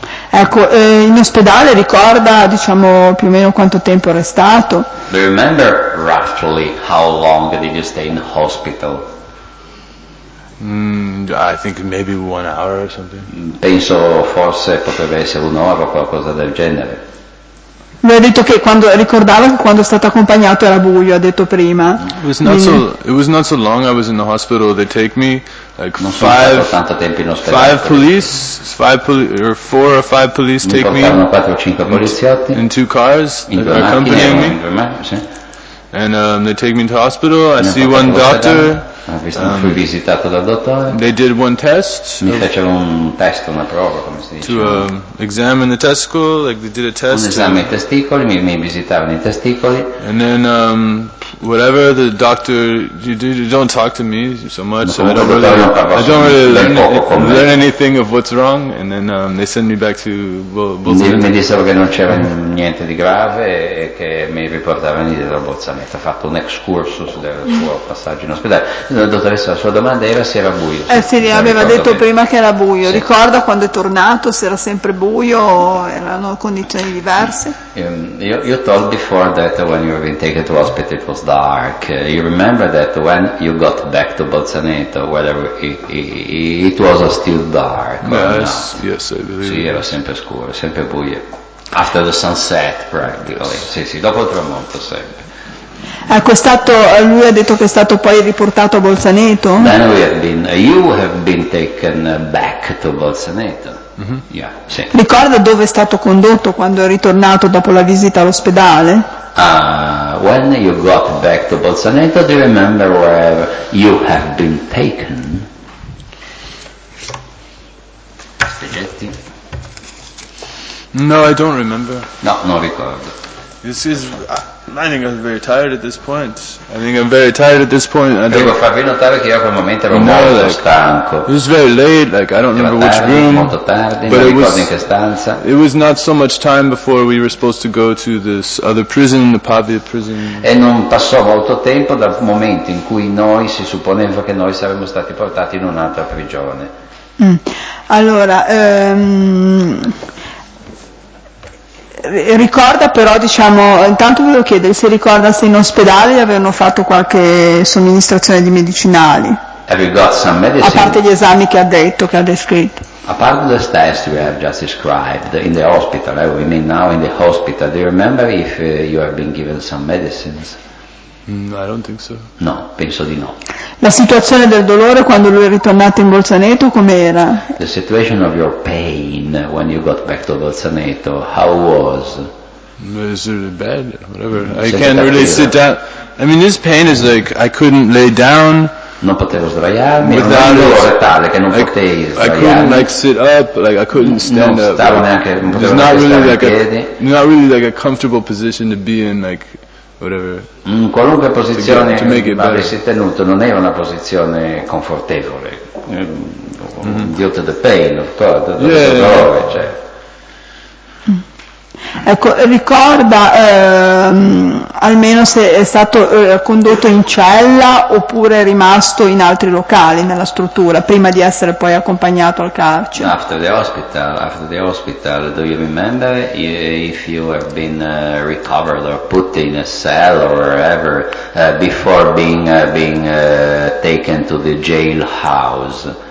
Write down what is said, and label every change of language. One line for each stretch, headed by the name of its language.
Italian: Ecco, in ospedale ricorda, diciamo, più o meno quanto tempo è restato?
English: Do you remember roughly how long did you stay in hospital? I think maybe 1 hour or something.
Italian: Penso forse potrebbe essere un'ora o qualcosa del genere. Lui ha detto che quando ricordava che quando è stato accompagnato era buio, ha detto prima.
English: It was not so long I was in the hospital. They take me like four or five police take me.
Italian: Portano 4 o 5 poliziotti.
English: In two cars that are accompanying me.
Italian: Sì.
English: And they take me to hospital. I see one doctor.
Italian: Fui visitato dal dottore.
English: They did one test.
Italian: Mi fecero un test, una prova, come si dice.
English: To examine the testicle, like they did a test.
Italian: Un esame ai testicoli, mi visitavano i testicoli.
English: And then whatever the doctor, you don't talk to me so much. So I don't really learn anything of what's wrong, and then they send me back to Bolzaneto.
Italian: Mi dicevo che non c'era niente di grave e che mi riportavano indietro a Bolzaneto. Ha fatto un excursus del suo passaggio in ospedale. La dottoressa, la sua domanda era se era buio. Sì, sì, aveva detto prima che era buio. Sì. Ricorda quando è tornato se era sempre buio o erano condizioni diverse?
English: You told before that when you were being taken to hospital it was dark. You remember that when you got back to Bolzaneto, whether it was still dark or yes, not. Yes, I believe.
Italian: Sì, era sempre scuro, sempre buio.
English: After the sunset, practically.
Italian: Sì, sì, dopo il tramonto, sempre. Ecco, è stato, lui ha detto che è stato poi riportato a Bolzaneto?
English: Then we have been, you have been taken back to Bolzaneto. Mm-hmm. Yeah, sì.
Italian: Ricorda dove è stato condotto quando è ritornato dopo la visita all'ospedale?
English: When you got back to Bolzaneto, do you remember where you have been taken? No, I don't remember.
Italian: No, non ricordo.
English: This is. I think I'm very tired at this point. I think I'm very tired at this point. I
Italian: devo farvi notare che io a quel momento ero molto stanco.
English: It was very late. Like I don't remember which room.
Italian: Molto tardi, but non ricordo in che stanza.
English: It was not so much time before we were supposed to go to this other prison, the Pavia prison.
Italian: E non passò molto tempo dal momento in cui noi si supponeva che noi saremmo stati portati in un'altra prigione. Allora. Ricorda però, diciamo, intanto volevo chiedere se ricorda se in ospedale gli avevano fatto qualche somministrazione di medicinali.
English: Have you got some medicine?
Italian: A parte gli esami che ha detto, che ha descritto.
English: A part of the tests we have just described in the hospital, we mean now in the hospital, do you remember if you have been given some medicines? No, I don't think so.
Italian: No, penso di no. La situazione del dolore quando lui è ritornato in Bolzaneto com'era?
English: The situation of your pain when you got back to Bolzaneto, how was? It's really bad, whatever. I can't really sit down. I mean, this pain is like I couldn't lay down.
Italian: Non potevo sdraiarmi, era un dolore tale che non potevo sdraiarmi.
English: I couldn't like sit up, like I couldn't stand up.
Italian: Non stavo neanche, non potevo stare in piedi.
English: Really like not really like a comfortable position to be in, like.
Italian: Qualunque posizione avessi tenuto non era una posizione confortevole.
English: Due to the pain, of course,
Italian: dolore, cioè. Ecco, ricorda almeno se è stato condotto in cella oppure è rimasto in altri locali nella struttura prima di essere poi accompagnato al carcere.
English: After the hospital, do you remember if you have been recovered or put in a cell or wherever before being taken to the jailhouse?